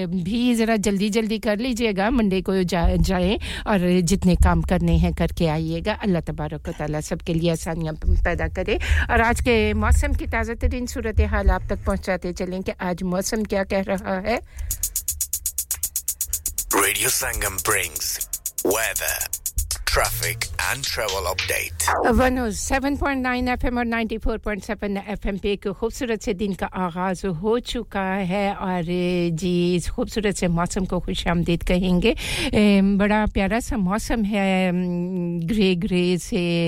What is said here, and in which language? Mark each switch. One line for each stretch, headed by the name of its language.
Urdu: بھی ذرا جلدی جلدی کر لیجیے گا منڈے کو جائیں اور جتنے کام کرنے ہیں کر کے آئیے گا اللہ تبارک و تعالیٰ سب کے لیے آسانیاں پیدا کرے اور آج کے موسم کی تازہ ترین صورت حال آپ تک پہنچاتے چلیں کہ آج موسم کیا کہہ رہا ہے
English: Radio Sangam brings weather. Traffic and travel update.
Urdu: 107.9 FM اور 94.7 FM پہ ایک خوبصورت سے دن کا آغاز ہو چکا ہے اور جی اس خوبصورت سے موسم کو خوش آمدید کہیں گے بڑا پیارا سا موسم ہے گرے گرے سے